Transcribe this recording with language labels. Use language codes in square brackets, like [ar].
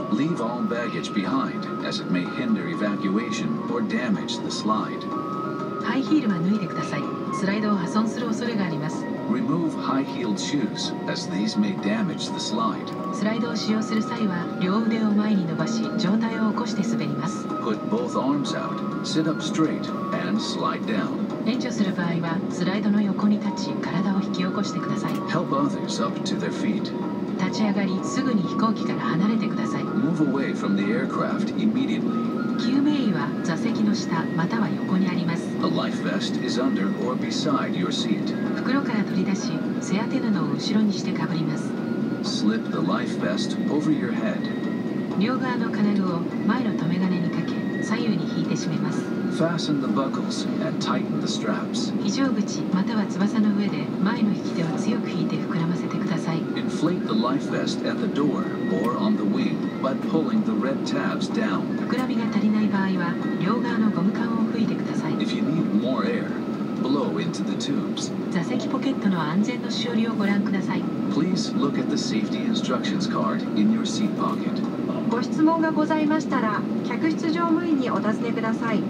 [en] Leave all baggage behind, as it may hinder evacuation or damage the slide. [ja] ハイヒールは脱いでください。スライドを破損する恐れがあります。 [en] Remove high-heeled shoes, as these may damage the slide. [ja] スライドを使用する際は両腕を前に伸ばし、上体を起こして滑ります。 [en] Put both arms out. Sit up straight and slide down. [ja] 援助する場合はスライドの横に立ち体を引き起こしてください。 [en] Help others up to their feet. [ja] 立ち上がりすぐに飛行機から離れてください。 [en] Move away from the aircraft immediately. [ja] 救命衣は座席の下または横にあります。 [en] A life vest is under or beside your seat. [ja] 袋から取り出し背当て布を後ろにしてかぶります。 [en] Slip the life vest over your head. [ja] 両側の金具を前の留め金にかけ左右に引いて締めます。 [en] Fasten the buckles and tighten the straps. [ja] 非常口または翼の上で前の引き手を強く引いて膨らませてください。 [en] Inflate the life vest at the door or on the wing by pulling the red tabs down. [ja] 膨らみが足りない場合は両側のゴム管を吹いてください。 [en] If you need more air, blow into the tubes. [ja] 座席ポケットの安全のしおりをご覧ください。 [en] Please look at the safety instructions card in your seat pocket. [ja] ご質問がございましたら、客室乗務員にお尋ねください。